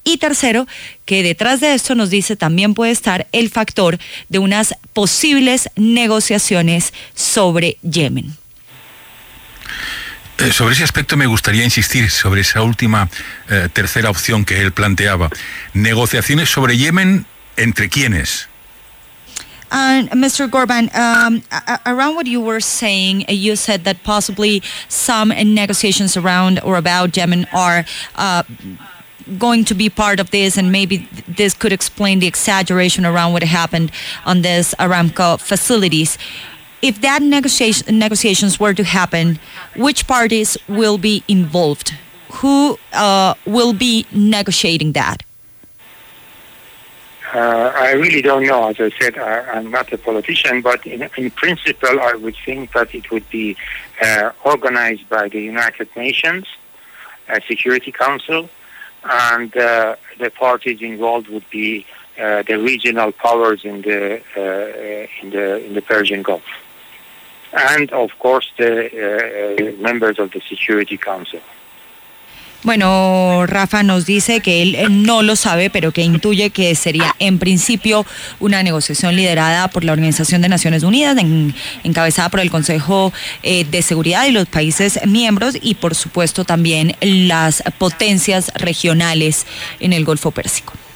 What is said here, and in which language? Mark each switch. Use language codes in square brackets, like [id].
[es] Y tercero, que detrás de esto nos dice también puede estar el factor de unas posibles negociaciones sobre Yemen. Sobre ese aspecto me gustaría insistir, sobre esa última tercera opción que él planteaba. ¿Negociaciones sobre Yemen entre quiénes? [en] Mr. Gorban, around what you were saying, you said that possibly some negotiations around or about Yemen are going to be part of this, and maybe this could explain the exaggeration around what happened on this Aramco facilities. If that negotiations were to happen, which parties will be involved? Who will be negotiating that? I really don't know. As I said, I'm not a politician, but in principle, I would think that it would be organized by the United Nations Security Council, and the parties involved would be the regional powers in the Persian Gulf, and of course the members of the Security Council. [es] Bueno, Rafa nos dice que él no lo sabe, pero que intuye que sería en principio una negociación liderada por la Organización de Naciones Unidas, encabezada por el Consejo de Seguridad y los países miembros, y por supuesto también las potencias regionales en el Golfo Pérsico.